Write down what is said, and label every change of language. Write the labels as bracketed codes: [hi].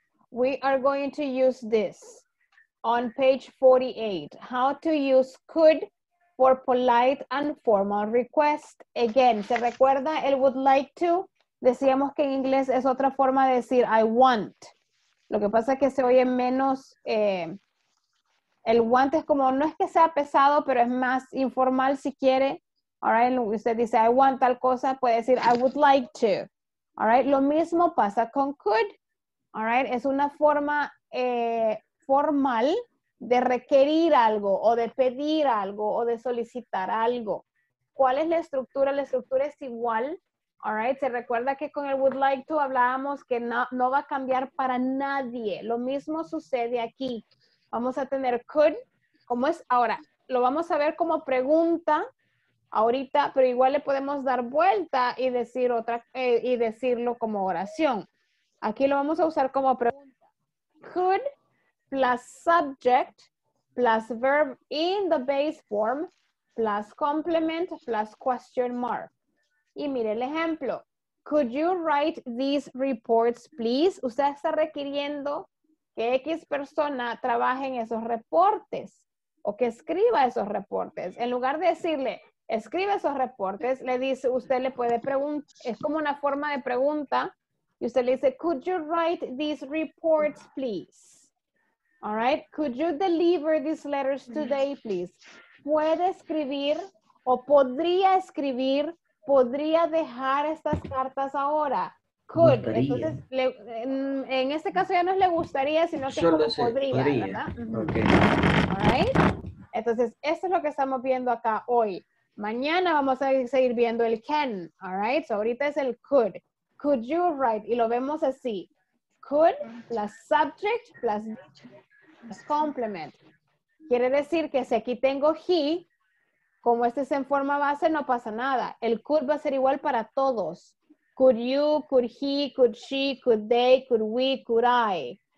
[en] We are going to use this on page 48. How to use could for polite and formal request. [es] Again, ¿se recuerda el would like to? Decíamos que en inglés es otra forma de decir I want. Lo que pasa es que se oye menos, el want es como, no es que sea pesado, pero es más informal si quiere. All right, usted dice, I want tal cosa, puede decir, I would like to. [en] All right, [es] lo mismo pasa con could. All right, es una forma formal de requerir algo, o de pedir algo, o de solicitar algo. ¿Cuál es la estructura? La estructura es igual. [en] All right, [es] se recuerda que con el would like to hablábamos que no va a cambiar para nadie. Lo mismo sucede aquí. Vamos a tener could, ¿cómo es? Ahora, lo vamos a ver como pregunta ahorita, pero igual le podemos dar vuelta y decir otra, y decirlo como oración. Aquí lo vamos a usar como pregunta. [en] Could plus subject plus verb in the base form plus complement plus question mark. [es] Y mire el ejemplo. [en] Could you write these reports, please? [es] Usted está requiriendo que X persona trabaje en esos reportes o que escriba esos reportes. En lugar de decirle, escribe esos reportes, le dice, usted le puede preguntar. Es como una forma de pregunta. Y usted le dice, [en] could you write these reports, please? All right. Could you deliver these letters today, please? [es] ¿Puede escribir o podría escribir? ¿Podría dejar estas cartas ahora? Could. Gustaría. Entonces, en este caso ya no es le gustaría, sino que solo como podría, ¿verdad? Okay. [en] All right. [es] Entonces, esto es lo que estamos viendo acá hoy. Mañana vamos a seguir viendo el can. All right. So ahorita es el could. [en] Could you write? [es] Y lo vemos así. [en] Could plus subject plus complement. [es] Quiere decir que si aquí tengo he, como este es en forma base, no pasa nada. El could va a ser igual para todos. [en] Could you, could he, could she, could they, could we, could I.